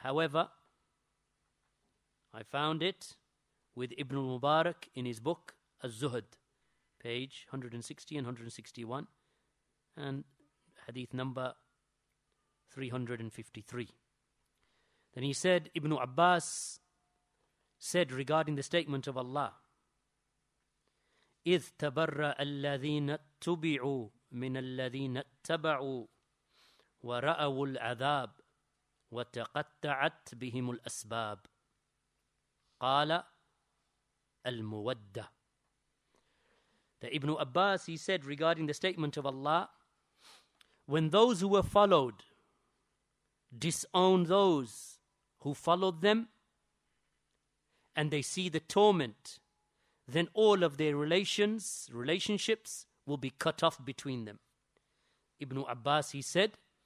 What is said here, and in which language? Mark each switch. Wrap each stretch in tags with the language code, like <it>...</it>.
<en>However, I found it with Ibn al-Mubarak in his book, Az-Zuhd, page 160 and 161, and hadith number 353. Then he said, Ibn Abbas said regarding the statement of Allah,</en> <ar>إِذْ تَبَرَّ الَّذِينَ تُبِعُوا مِنَ الَّذِينَ تَبَعُوا وَرَأَوُ الْعَذَابِ وَتَقَتَّعَتْ بِهِمُ الْأَسْبَابِ قَالَ الْمُوَدَّةِ.</ar> <en>The Ibn Abbas, he said regarding the statement of Allah, when those who were followed disown those who followed them and they see the torment, then all of their relationships will be cut off between them. Ibn Abbas, he said,</en>